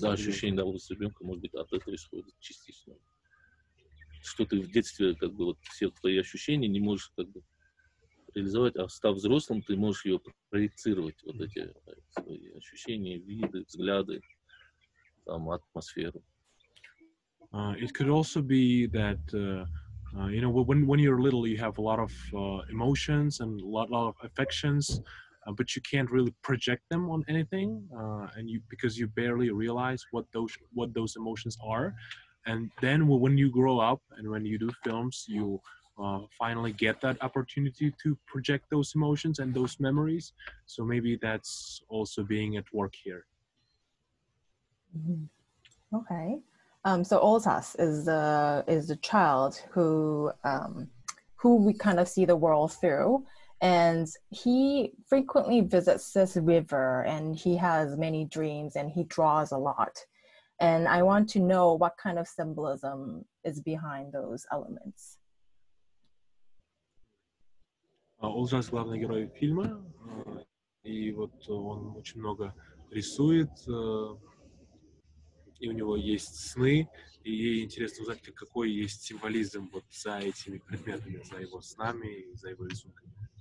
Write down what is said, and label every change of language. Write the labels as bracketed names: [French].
[Russian] Да, ощущение удовольствия ребенка, может быть, от этого исходит частично. Что ты в детстве, как бы, вот все твои ощущения не можешь, как бы, реализовать, а став взрослым, ты можешь ее проецировать, вот эти свои ощущения, виды, взгляды, там, атмосферу. [English] It could also be that, you know, when you're little, you have a lot of emotions and a lot of affections, but you can't really project them on anything, and you, because you barely realize what those emotions are. And then when you grow up and when you do films, you finally get that opportunity to project those emotions and those memories. So maybe that's also being at work here. Mm-hmm. Okay. So Olsas is the child who we kind of see the world through, and he frequently visits this river and he has many dreams and he draws a lot. And I want to know what kind of symbolism is behind those elements. [Russian] Олжас главный герой фильма, и вот он очень много рисует, и у него есть сны, и ей интересно узнать, какой есть символизм вот за этими предметами, за его снами и за его рисунками.